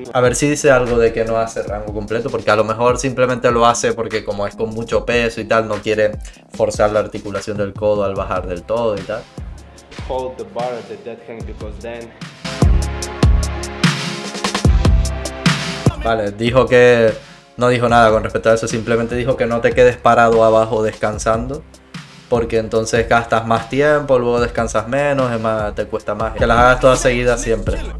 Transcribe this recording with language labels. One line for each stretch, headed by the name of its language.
Spanish: know. A ver si dice algo de que no hace rango completo, porque a lo mejor simplemente lo hace porque como es con mucho peso y tal, no quiere forzar la articulación del codo al bajar del todo y tal.
English: Hold the bar at the dead hang because then.
Spanish: Vale, dijo que no dijo nada con respecto a eso, simplemente dijo que no te quedes parado abajo descansando, porque entonces gastas más tiempo, luego descansas menos, es más, te cuesta más. Que las hagas todas seguidas siempre.